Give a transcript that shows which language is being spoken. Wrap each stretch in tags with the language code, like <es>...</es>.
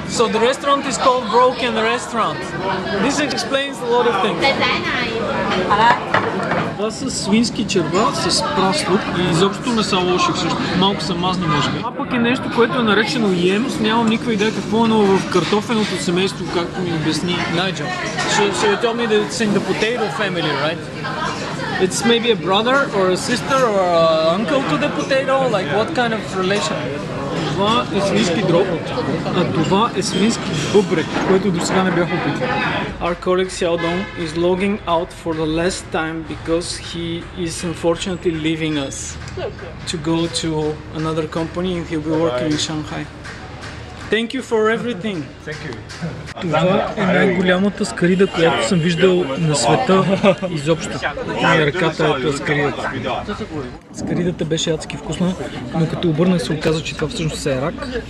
<en>So the restaurant is called Broken Restaurant. This explains a lot of things.</en> <bg>Това са свински черва с праслук и изобщо не са лоши всъщност, малко са мазни може би. Това пък е нещо, което е наречено йемс, нямам никаква идея какво е ново в картофеното семейство, както ми обясни Найджел.</bg> <en>So you told me that it's in the potato family, right? It's maybe a brother or a sister or an uncle to the potato, like what kind of relation?</en> <bg>Това е свински дроб, а това е свински бъбрек, което до сега не бях опитвал.</bg> <en>Our colleague Xiao Dong is logging out for the last time because he is unfortunately leaving us to go to another company and he'll be working in Shanghai. Thank you for everything. Thank you.</en> <bg>Това е най-голямата скарида, която съм виждал на света изобщо. И ръката е тази скаридата. Скаридата беше адски вкусна, но като обърнах се оказа, че това всъщност е рак.</bg>